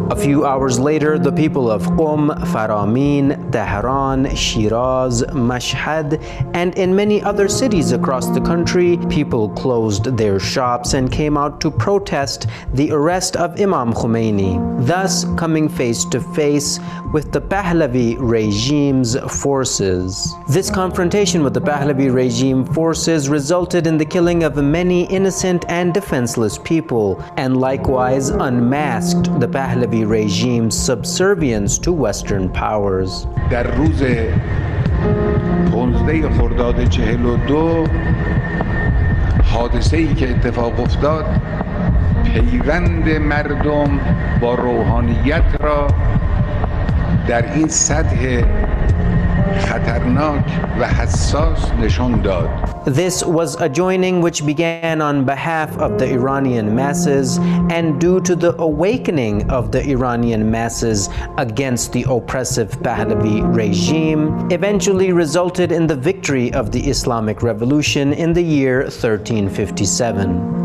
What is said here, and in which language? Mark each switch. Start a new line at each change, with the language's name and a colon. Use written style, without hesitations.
English: A few hours later, the people of Qom, Faramin, Tehran, Shiraz, Mashhad, and in many other cities across the country, people closed their shops and came out to protest the arrest of Imam Khomeini, thus coming face to face with the Pahlavi regime's forces. This confrontation with the Pahlavi regime forces resulted in the killing of many innocent and defenseless people, and likewise unmasked the Pahlavi regime's subservience to Western powers.
Persian: در روز 15 خرداد 42 حادثه‌ای که اتفاق افتاد پیوند مردم با روحانیت را در این سطح خطرناک و حساس نشان داد.
English: This was a joining which began on behalf of the Iranian masses, and due to the awakening of the Iranian masses against the oppressive Pahlavi regime, eventually resulted in the victory of the Islamic Revolution in the year 1357.